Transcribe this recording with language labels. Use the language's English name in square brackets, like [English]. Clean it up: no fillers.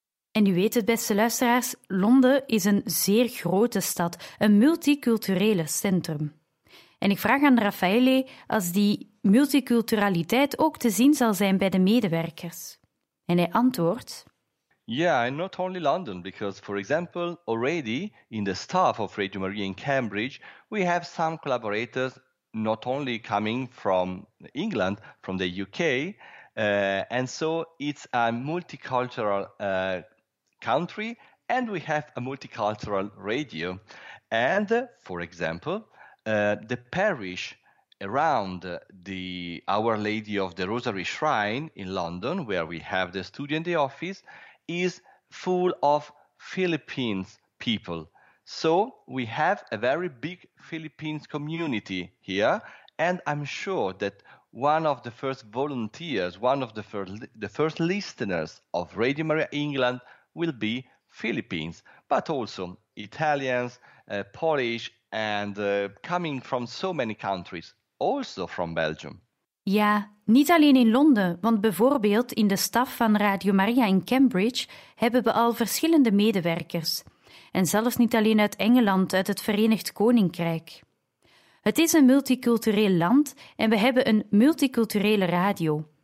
[Dutch] En u weet het, beste luisteraars, Londen is een zeer grote stad, een multiculturele centrum. En ik vraag aan Raffaele als die multiculturaliteit ook te zien zal zijn bij de medewerkers. En hij antwoordt... [English] Yeah, and not only London, because, for example, already in the staff of Radio Maria in Cambridge, we have some collaborators not only coming from England, from the UK, and so it's a multicultural country, and we have a multicultural radio. And, for example, the parish around the Our Lady of the Rosary Shrine in London, where we have the studio and the office, is full of Philippines people. So we have a very big Philippines community here, and I'm sure that one of the first volunteers, one of the first listeners of Radio Maria England will be Philippines, but also Italians, Polish, and coming from so many countries, also from Belgium. [Dutch] Ja, niet alleen in Londen, want bijvoorbeeld in de staf van Radio Maria in Cambridge hebben we al verschillende medewerkers. En zelfs niet alleen uit Engeland, uit het Verenigd Koninkrijk. Het is een multicultureel land en we hebben een multiculturele radio.